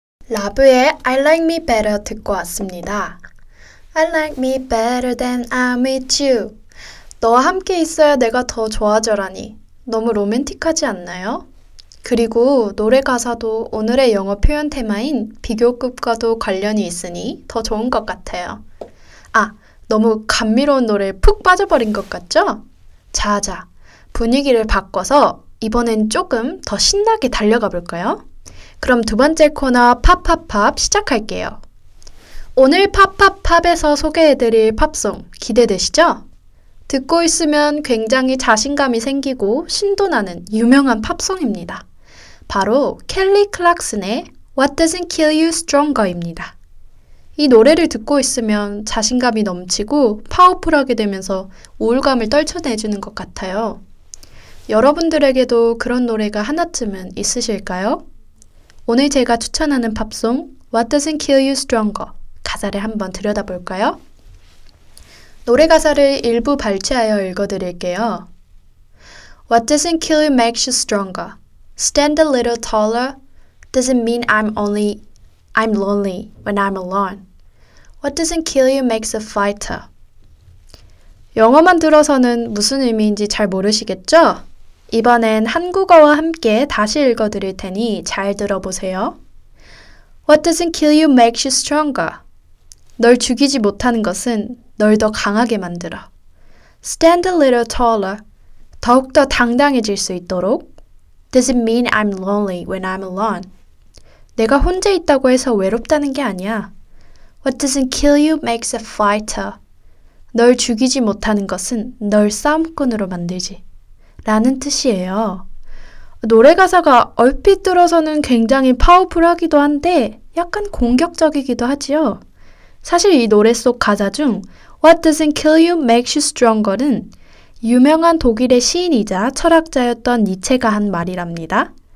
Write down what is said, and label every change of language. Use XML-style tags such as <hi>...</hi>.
<en>Love의 I Like Me Better</en> <ko>듣고 왔습니다.</ko> <en>I like me better than I'm with you.</en> <ko>너와 함께 있어야 내가 더 좋아져라니. 너무 로맨틱하지 않나요? 그리고 노래 가사도 오늘의 영어 표현 테마인 비교급과도 관련이 있으니 더 좋은 것 같아요. 아, 너무 감미로운 노래에 푹 빠져버린 것 같죠? 자자, 분위기를 바꿔서 이번엔 조금 더 신나게 달려가 볼까요? 그럼 두 번째 코너 팝팝팝 시작할게요. 오늘 팝팝팝에서 소개해드릴 팝송 기대되시죠? 듣고 있으면 굉장히 자신감이 생기고 신도 나는 유명한 팝송입니다. 바로 켈리 클락슨의 What Doesn't Kill You Stronger입니다. 이 노래를 듣고 있으면 자신감이 넘치고 파워풀하게 되면서 우울감을 떨쳐내주는 것 같아요. 여러분들에게도 그런 노래가 하나쯤은 있으실까요? 오늘 제가 추천하는 팝송 What Doesn't Kill You Stronger 가사를 한번 들여다볼까요? 노래 가사를 일부 발췌하여 읽어드릴게요.</ko> <en>What doesn't kill you makes you stronger. Stand a little taller doesn't mean I'm lonely when I'm alone. What doesn't kill you makes a fighter.</en> <ko>영어만 들어서는 무슨 의미인지 잘 모르시겠죠? 이번엔 한국어와 함께 다시 읽어드릴 테니 잘 들어보세요.</ko> <en>What doesn't kill you makes you stronger.</en> <ko>널 죽이지 못하는 것은 널 더 강하게 만들어.</ko> <en>Stand a little taller.</en> <ko>더욱더 당당해질 수 있도록.</ko> <en>Doesn't mean I'm lonely when I'm alone.</en> <ko>내가 혼자 있다고 해서 외롭다는 게 아니야.</ko> <en>What doesn't kill you makes a fighter.</en> <ko>널 죽이지 못하는 것은 널 싸움꾼으로 만들지. 라는 뜻이에요. 노래 가사가 얼핏 들어서는 굉장히 파워풀하기도 한데 약간 공격적이기도 하지요. 사실 이 노래 속 가사 중</ko> <en>What doesn't kill you makes you stronger</en> <ko>는 유명한 독일의 시인이자 철학자였던 니체가 한 말이랍니다.</ko>